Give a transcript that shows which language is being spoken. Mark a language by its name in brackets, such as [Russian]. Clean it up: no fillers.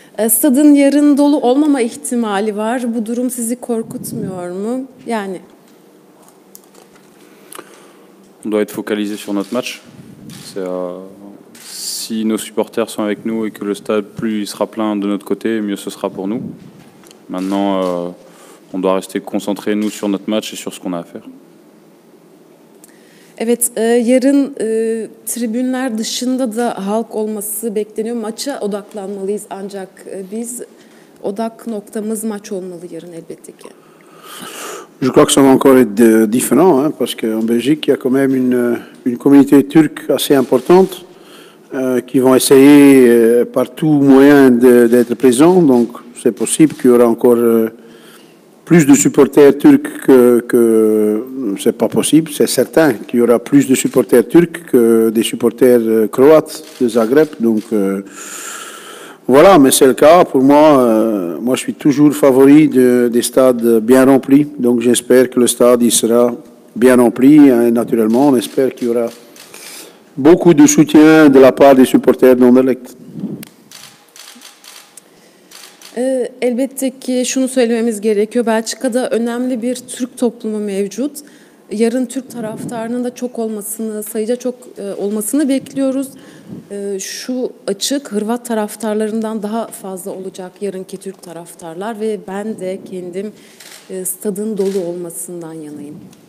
[Turkish] Stad'ın yarın dolu olmama ihtimali var. Bu durum sizi korkutmuyor mu? Yani. [French] On doit être focalisé sur notre match. C'est si nos supporters sont avec nous et que le stade, plus il sera plein de notre côté, mieux ce sera pour nous. Maintenant, on doit rester concentré, nous, sur notre match et sur ce qu'on a à faire. [Turkish] Evet, yarın tribünler dışında da halk olması bekleniyor. Maça odaklanmalıyız ancak biz odak noktamız maç olmalı yarın elbette ki. [French] Je crois que ça va encore être différent, hein, parce qu'en Belgique, il y a quand même une communauté turque assez importante qui vont essayer par tout moyen d'être présents. Donc, c'est possible qu'il y aura encore plus de supporters turcs que... C'est pas possible, c'est certain qu'il y aura plus de supporters turcs que des supporters croates de Zagreb. Donc, voilà, mais c'est le cas. Pour moi, moi je suis toujours favori des stades bien remplis. Donc, j'espère que le stade il sera bien rempli. Et naturellement, on espère qu'il y aura beaucoup de soutien de la part des supporters d'Anderlecht. [Turkish] Elbette ki şunu söylememiz gerekiyor. Belçika'da önemli bir Türk toplumu mevcut. Yarın Türk taraftarının da çok olmasını, sayıca çok olmasını bekliyoruz. Şu açık Hırvat taraftarlarından daha fazla olacak yarınki Türk taraftarlar ve ben de kendim stadın dolu olmasından yanayım.